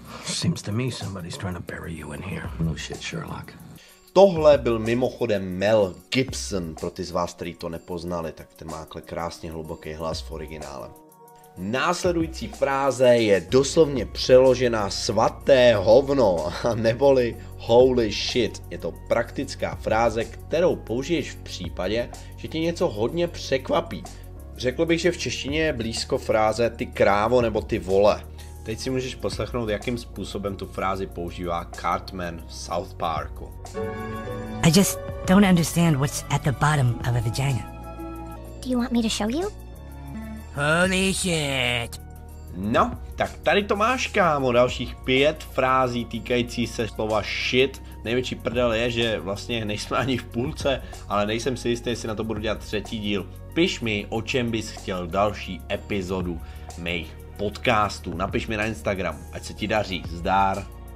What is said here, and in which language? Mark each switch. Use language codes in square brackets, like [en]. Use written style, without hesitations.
[en] Seems to me somebody's trying to bury you in here. No shit Sherlock. [cs] Tohle byl mimochodem Mel Gibson, pro ty z vás, který to nepoznali, tak ten má takhle krásně hluboký hlas v originále. Následující fráze je doslovně přeložená svaté hovno, neboli [en] holy shit. [cs] Je to praktická fráze, kterou použiješ v případě, že ti něco hodně překvapí. Řekl bych, že v češtině je blízko fráze ty krávo nebo ty vole. Teď si můžeš poslechnout, jakým způsobem tu frázi používá Cartman v South Parku. [en] I just don't understand what's at the bottom of a vagina. Do you want me to show you? Holy shit! [cs] No, tak tady to máš, kámo, dalších 5 frází týkající se slova shit. Největší prdel je, že vlastně nejsme ani v půlce, ale nejsem si jistý, jestli na to budu dělat třetí díl. Piš mi, o čem bys chtěl další epizodu mých podcastu, napiš mi na Instagram, ať se ti daří, zdar.